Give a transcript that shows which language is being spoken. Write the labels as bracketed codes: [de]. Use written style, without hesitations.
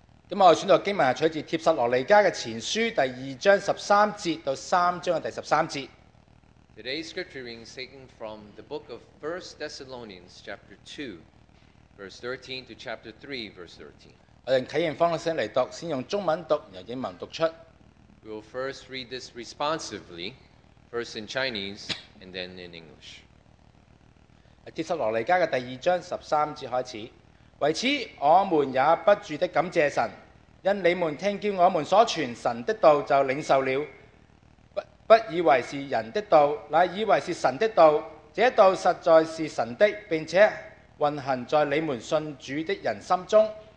[zh] 咁我选读经文取自帖撒罗尼迦嘅前书第二章十三节到三章嘅第十三节。 [en] Today's scripture reading is taken from the book of 1 Thessalonians, chapter 2, verse 13 to chapter 3, verse 13. [zh] 我用启应方式嚟读，先用中文读，然后英文读出。 [en] We will first read this responsively, first in Chinese and then in English. [zh] 帖撒罗尼迦嘅第二章十三节开始。为此，我们也不住的感谢神，因你们听见我们所传神的道，就领受了。不以为是人的道，乃以为是神的道。这道实在是神的，并且运行在你们信主的人心中。